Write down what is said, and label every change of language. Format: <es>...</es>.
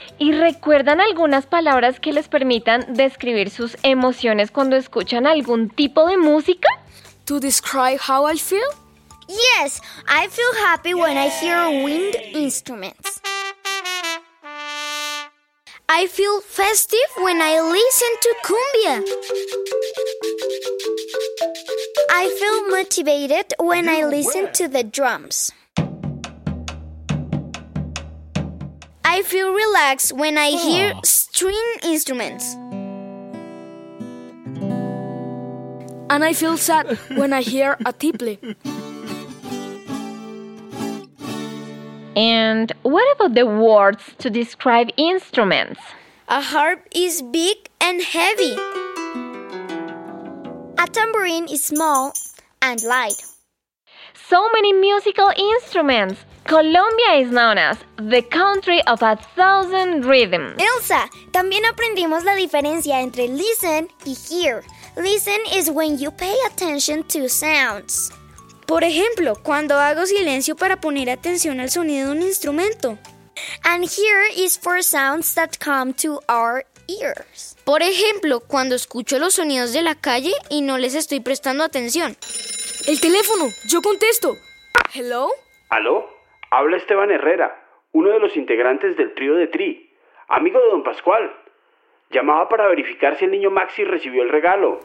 <es>¿Y recuerdan algunas palabras que les permitan describir sus emociones cuando escuchan algún tipo de música?</es> <en>To describe how I feel? Yes, I feel happy when I hear wind instruments. I feel festive when I listen to cumbia. I feel motivated when I listen to the drums. I feel relaxed when I hear string instruments. And I feel sad when I hear a tiple. And what about the words to describe instruments? A harp is big and heavy. A tambourine is small and light. So many musical instruments. Colombia is known as the country of a thousand rhythms.</en> <es>Elsa, también aprendimos la diferencia entre listen y hear.</es> <en>Listen is when you pay attention to sounds.</en> <es>Por ejemplo, cuando hago silencio para poner atención al sonido de un instrumento.</es> <en>And hear is for sounds that come to our ears.</en> <es>Por ejemplo, cuando escucho los sonidos de la calle y no les estoy prestando atención. ¡El teléfono! ¡Yo contesto! ¿Hello? ¿Aló? Habla Esteban Herrera, uno de los integrantes del trío de Tri. Amigo de Don Pascual. Llamaba para verificar si el niño Maxi recibió el regalo.</es>